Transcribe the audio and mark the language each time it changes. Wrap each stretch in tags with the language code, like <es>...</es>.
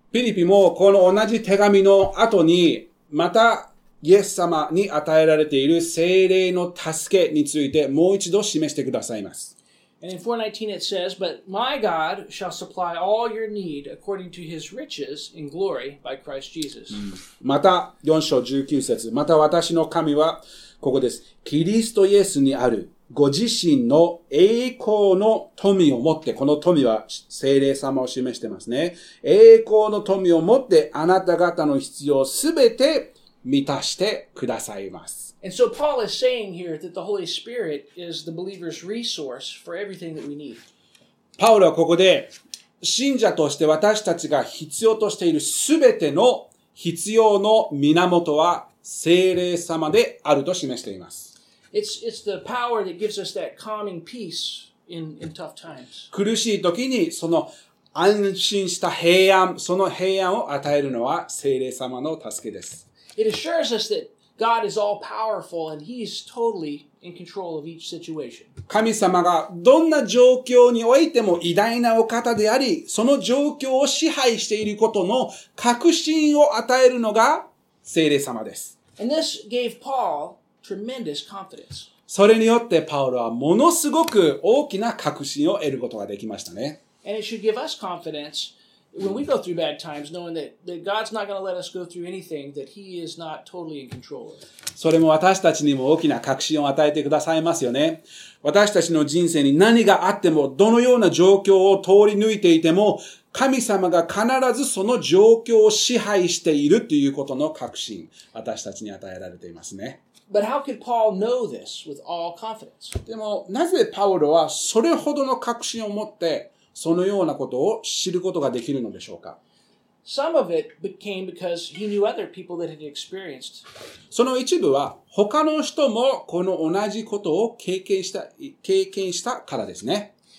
<ja>ピリピもこの同じ手紙の後にまたイエス様に与えられている聖霊の助けについてもう一度示してくださいます。</ja> <en>And in 4:19 it says, But my God shall supply all your need according to his riches in glory by Christ Jesus.</en> <ja>また4章19節。また私の神はここです。キリストイエスにあるご自身の栄光の富をもって、この富は聖霊様を示してますね。栄光の富をもってあなた方の必要すべて満たしてくださいます。</ja> <en>And so Paul is saying here that the Holy Spirit is the believer's resource for everything that we need.</en> <ja>パウロはここで信者として私たちが必要としているすべての必要の源は聖霊様であると示しています。</ja> <en>It's the power that gives us that calming peace in tough times.</en> <ja>苦しい時にその安心した平安、その平安を与えるのは聖霊様の助けです。</ja> <en>It assures us that God is all powerful and He is totally in control of each situation.</en> <ja>神様がどんな状況においても偉大なお方であり、その状況を支配していることの確信を与えるのが聖霊様です。</ja> <en>And this gave Paul tremendous confidence.</en> <ja>それによってパウロはものすごく大きな確信を得ることができましたね。</ja> <en>And it should give us confidence when we go through bad times, knowing that God's not going to let us go through anything that He is not totally in control of.</en> <ja>それも私たちにも大きな確信を与えてくださいますよね。私たちの人生に何があっても、どのような状況を通り抜いていても、神様が必ずその状況を支配しているということの確信、私たちに与えられていますね。</ja> <en>But how could Paul know this with all confidence?</en> <ja>でもなぜパウロはそれほどの確信を持って、そのようなことを知ることができるのでしょうか。</ja> <en>Some of it became because he knew other people that had experienced.</en> <ja>その一部は他の人もこの同じことを経験したからですね。</ja>